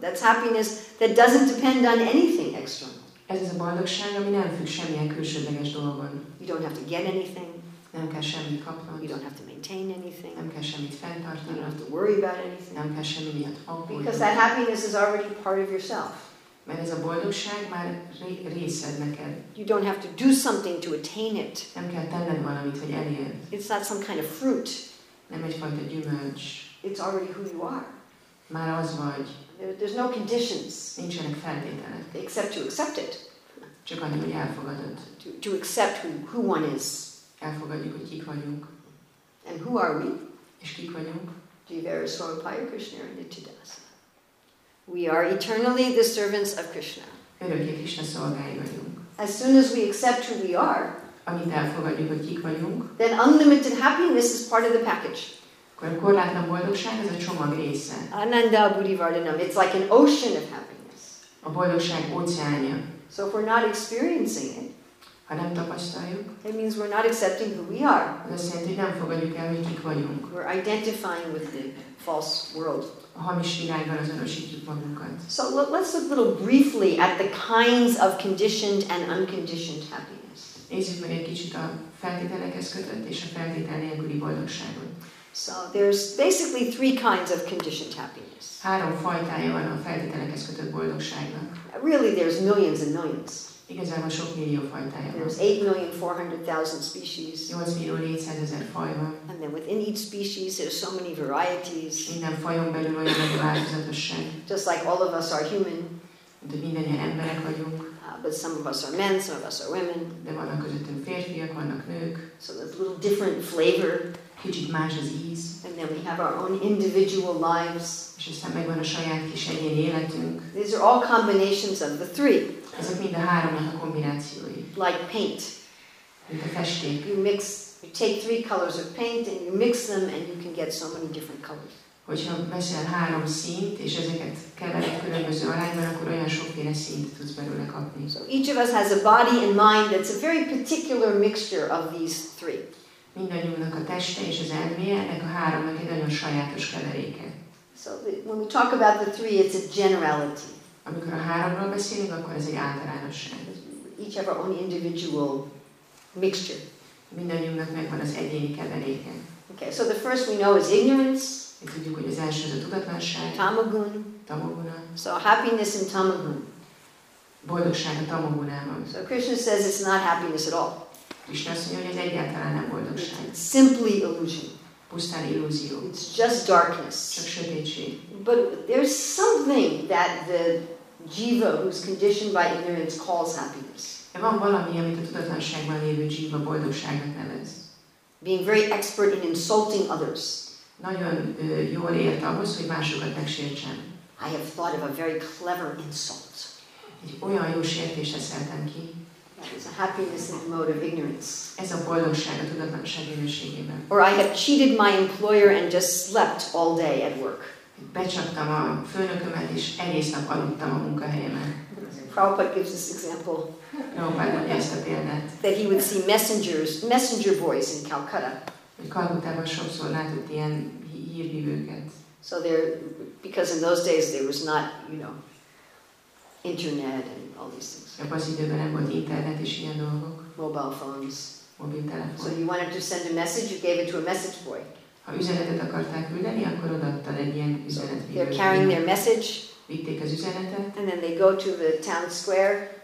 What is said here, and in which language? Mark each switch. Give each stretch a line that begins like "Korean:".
English: That's happiness that doesn't depend on anything external.
Hungarian: Ez az a boldogság, ami nem függ semmilyen külsődleges dologon.
English: You don't have to get anything.
Hungarian: Nem kell semmit kapnod.
English: You don't have to maintain anything.
Hungarian: Nem kell semmit fenntartani.
English: You don't have to worry about anything.
Hungarian: Nem kell semmi miatt aggódni.
English: Because that happiness is already part of yourself.
Hungarian: Mert ez a boldogság már részed neked.
English: You don't have to do something to attain it.
Hungarian: Nem kell tenned valamit, hogy elérd.
English: It's not some kind of fruit.
Hungarian: Nem egyfajta gyümölcs.
English: It's already who you are.
Hungarian: Már az vagy.
English: There's no conditions.
Hungarian: Nincsenek feltételek.
English: Except to accept it.
Hungarian: Csak annyi, hogy elfogadod.
English: To accept who one is.
Hungarian: Elfogadjuk, hogy kik vagyunk.
English: And who are we?
Hungarian: És kik vagyunk?
Sanskrit: Jivara Swarupaya Krishna Nityadasa.
English: We are eternally the servants of Krishna.
Hungarian: Örökké Krishna szolgái vagyunk.
English: As soon as we accept who we are,
Hungarian: amint elfogadjuk, hogy kik vagyunk,
English: then unlimited happiness is part of the package.
Hungarian: Akkor a korlátlan boldogság, ez a csomag része.
Sanskrit: Ananda Budivardhanam,
English: it's like an ocean of happiness.
Hungarian: A boldogság óceánja.
English: So if we're not experiencing it,
Hungarian: ha nem tapasztaljuk,
English: it means we're not accepting who we are.
Hungarian: Az azt jelenti, hogy nem fogadjuk el, hogy kik vagyunk.
English: We're identifying with the false world.
Hungarian: A hamis világban azonosítjuk magunkat.
English: So let's look a little briefly at the kinds of conditioned and unconditioned happiness.
Hungarian: Nézzük meg egy kicsit a feltételekhez kötött és a feltétel nélküli boldogságot.
English: So there's basically three kinds of conditioned happiness.
Hungarian: Három fajtája van a feltételekhez kötött boldogságnak.
English: Really, there's millions and millions.
Hungarian: Igazából sok millió fajtája van.
English: There's 8,400,000 species.
Hungarian: 8,400,000 faj van.
English: And then within each species, there's so many varieties.
Hungarian: Minden fajon belül olyan nagy változatosság.
English: Just like all of us are human.
Hungarian: De mindannyian emberek vagyunk.
English: But some of us are men, some of us are women.
Hungarian: De vannak közöttünk férfiak, vannak nők.
English: So there's a little different flavor.
Hungarian: Kicsit más az íz.
English: And then we have our own individual lives.
Hungarian: És aztán megvan a saját kis egyéni életünk.
English: These are all combinations of the three.
Hungarian: Ezek mind a háromnak a kombinációi.
English: Like paint.
Hungarian: Mint a festék.
English: You take three colors of paint and you mix them and you can get so many different colors.
Hungarian: Hogyha veszel három színt, és ezeket kevered különböző arányban, akkor olyan sokféle színt tudsz belőle kapni.
English: So each of us has a body and mind that's a very particular mixture of these three.
Hungarian: Mindannyiunknak a teste és az elméje, ennek a háromnak egy nagyon sajátos keveréke.
English: So when we talk about the three, it's a generality.
Hungarian: Amikor a háromról beszélünk, akkor ez egy általánosság.
English: Each have our own individual mixture.
Hungarian: Mindannyiunknak megvan az egyéni keveréke.
English: Okay, so the first we know is ignorance.
Hungarian: Mi tudjuk, hogy az első az a tudatlanság.
English: Tamagun.
Hungarian: Tamaguna.
English: So happiness in tamagun.
Hungarian: Boldogság a tamagunában.
English: So Krishna says it's not happiness at all.
Hungarian: Krishna azt mondja, hogy ez egyáltalán nem boldogság.
English: It's simply illusion.
Hungarian: Pusztán illúzió.
English: It's just darkness.
Hungarian: Csak sötétség.
English: But there's something that the jiva who's conditioned by ignorance calls happiness.
Hungarian: De van valami, amit a tudatlanságban lévő jiva boldogságnak nevez.
English: Being very expert in insulting others.
Hungarian: Nagyon jól ért ahhoz, hogy másokat megsértsen.
English: I have thought of a very clever insult.
Hungarian: Egy olyan jó sértést szeltem ki.
English: It's a happiness in the mode of ignorance.
Hungarian: Ez a boldogság a tudatlanság minőségében.
English: Or I have cheated my employer and just slept all day at work.
Hungarian: Becsaptam a főnökömet és egész nap aludtam a munkahelyemen.
English: Prabhupada gives this example.
Hungarian: Prabhupada mondja ezt a példát.
English: That he would see messenger boys in Calcutta.
Hungarian: Hogy Kalkutában sokszor látott ilyen hírhívőket.
English: So there, because in those days there was not, you know, internet and all these things.
Hungarian: Ebben az időben nem volt internet és ilyen dolgok.
English: Mobile phones.
Hungarian: Mobiltelefon.
English: So you wanted to send a message, you gave it to a message boy.
Hungarian: Ha üzenetet akarták küldeni, akkor odaadtad egy ilyen üzenetvívőt.
English: They're carrying their message.
Hungarian: Vitték az üzenetet.
English: And then they go to the town square.